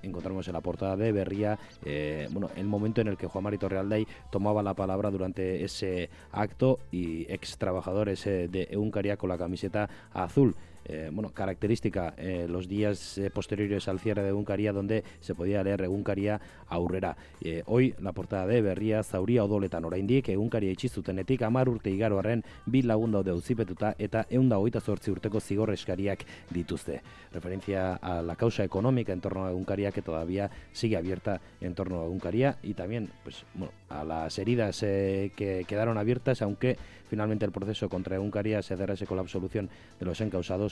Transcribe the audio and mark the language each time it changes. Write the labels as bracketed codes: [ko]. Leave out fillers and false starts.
[es] Encontramos en la portada de Berria el momento en el que Juan Mari Torrealdai tomaba la palabra durante ese acto, y ex trabajadores de Egunkaria con la camiseta azul. Característica los días posteriores al cierre de Egunkaria, donde se podía leer Egunkaria aurrera. Hoy la portada de [eu] Berria zauria odoletan oraindik Egunkaria itxizutenetik 10 urte igaro arren bi lagun daude auzipetuta eta 128 urteko zigor eskariak dituzte. [es] Referencia a la causa económica en torno a Egunkaria, que todavía sigue abierta en torno a Egunkaria, y también a las heridas que quedaron abiertas, aunque finalmente el proceso contra Egunkaria se cerrase con la absolución de los encausados.